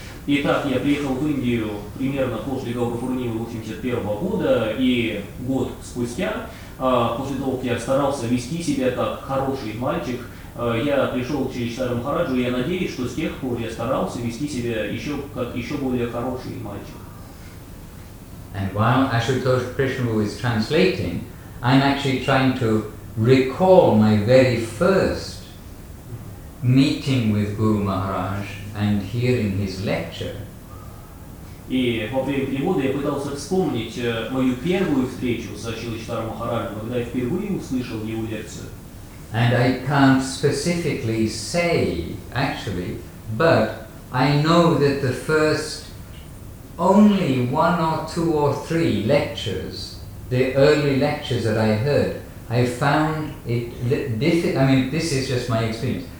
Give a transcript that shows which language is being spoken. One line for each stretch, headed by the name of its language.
Russian: Итак, я приехал в Индию примерно после Гауру Пурнимы 1981 года, и год спустя, после того, как я старался вести себя как хороший мальчик, я пришел к Шриштару Махараджу, и я надеюсь, что с тех пор я старался вести себя еще как еще более хороший мальчик.
English: And while Ashutosh Krishnaprabhu is translating, I'm actually trying to recall my very first meeting with Guru Maharaj and hearing his lecture.
Russian: И во время перевода я пытался вспомнить мою первую встречу с Шиличтаром Махараджем, когда я впервые услышал его лекцию.
English: And I can't specifically say, actually, but I know that the first only one or two or three lectures, the early lectures that I heard, I found it difficult. I mean, this is just my experience.